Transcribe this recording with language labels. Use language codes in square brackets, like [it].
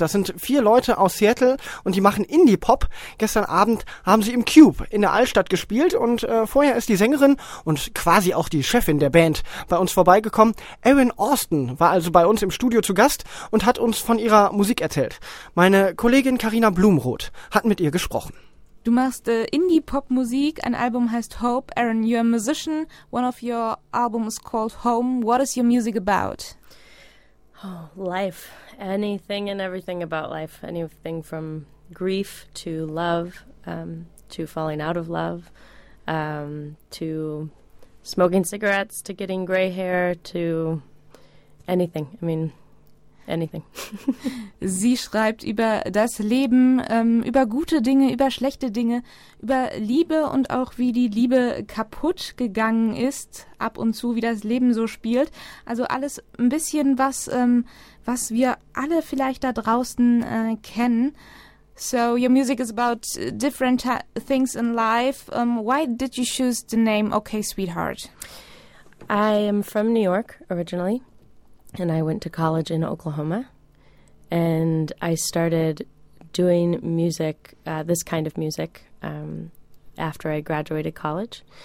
[de] Das sind 4 Leute aus Seattle und die machen Indie-Pop. Gestern Abend haben sie im Cube in der Altstadt gespielt und vorher ist die Sängerin und quasi auch die Chefin der Band bei uns vorbeigekommen. Erin Austin war also bei uns im Studio zu Gast und hat uns von ihrer Musik erzählt. Meine Kollegin Carina Blumroth hat mit ihr gesprochen. Du machst Indie-Pop-Musik, ein Album heißt Hope. [en] Erin, you're a musician. One of your albums called Home. What is your music about? Oh, life. Anything and everything about life. Anything from grief to love, to falling out of love, to smoking cigarettes, to getting gray hair, to anything. I mean, anything. [de] Sie schreibt über das Leben, über gute Dinge, über schlechte Dinge, über Liebe und auch wie die Liebe kaputt gegangen ist, ab und zu, wie das Leben so spielt. Also alles ein bisschen was, was wir alle vielleicht da draußen kennen. [en] So your music is about different things in life. Why did you choose the name OK Sweetheart? I am from New York originally. And I went to college in Oklahoma, and I started doing music, this kind of music, after I graduated college.